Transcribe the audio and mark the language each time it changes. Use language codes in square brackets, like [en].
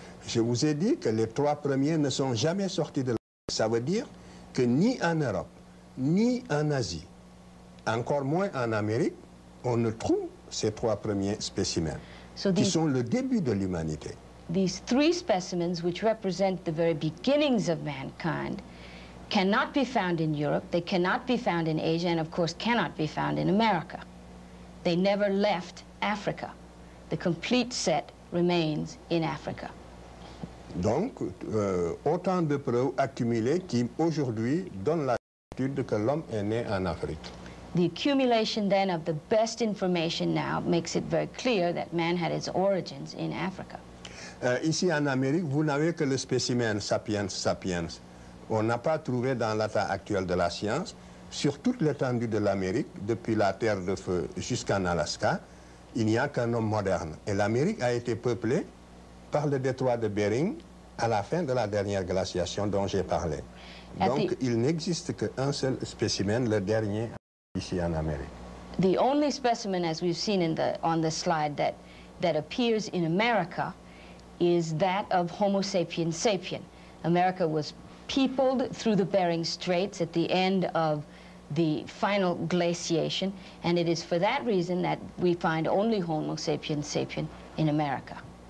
[fr] Je vous ai dit que les trois premiers ne sont jamais sortis de l'Afrique. Ça veut dire que ni en Europe, ni en Asie, encore moins en Amérique, on ne trouve ces trois premiers spécimens qui sont le début de l'humanité. [en] These three specimens, which represent the very beginnings of mankind, cannot be found in Europe, they cannot be found in Asia, and of course cannot be found in America. They never left Africa. The complete set remains in Africa. [fr] Donc, autant de preuves accumulées qui aujourd'hui donnent la l'étude que l'homme est né en Afrique. [en] The accumulation then of the best information now makes it very clear that man had his origins in Africa. [fr] Ici en Amérique, vous n'avez que le spécimen sapiens sapiens. On n'a pas trouvé dans l'état actuel de la science, sur toute l'étendue de l'Amérique, depuis la Terre de Feu jusqu'en Alaska, il n'y a qu'un homme moderne. Et l'Amérique a été peuplée par le détroit de Bering à la fin de la dernière glaciation dont j'ai parlé. Donc, il n'existe qu'un seul spécimen, le dernier, ici en Amérique. [en] The only specimen, as we've seen in the, on the slide, that appears in America is that of Homo sapiens sapiens. America was peopled through the Bering Straits at the end of the final glaciation, and it is for that reason that we find only Homo sapiens sapiens in America.